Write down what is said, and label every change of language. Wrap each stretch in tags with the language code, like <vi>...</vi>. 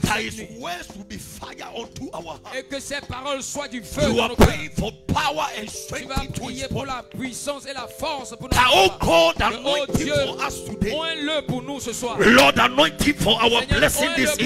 <en>That his words will be fire unto our hearts.</en> <fr>Et que ses paroles soient du feu.</fr> <en>You are praying for power and strength.</en> <fr>Tu vas prier pour la puissance et la force pour nous.</fr> <en>Oh God, anoint him for us today.</en> <fr>Oins-le pour nous ce soir.</fr> <en>Lord, anoint him for our blessing this evening.</en>